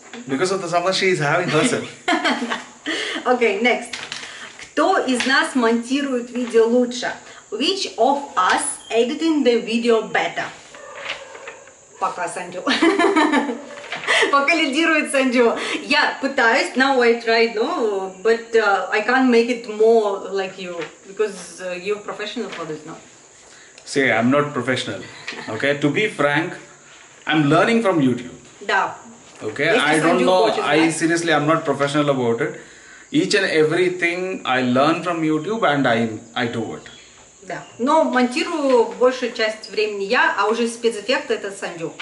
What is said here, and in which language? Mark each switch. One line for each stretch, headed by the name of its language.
English: Because of the summer, she is having herself. Okay, next.
Russian: Кто из нас монтирует видео лучше?
English: Which of us editing the video better?
Russian: Пока, Санджу. Пока лидирует Санджу. Я пытаюсь,
English: now I try, no, but I can't make it more like you. Because you're professional for this, no? See, I'm not professional. Okay, to be frank, I'm learning from YouTube.
Russian: Да.
English: Okay, I don't know. I seriously, I'm not professional about it. Each and everything I learn from YouTube, and I do it.
Russian: Да. Но монтирую большую часть времени я, а уже спецэффекты это Санджу.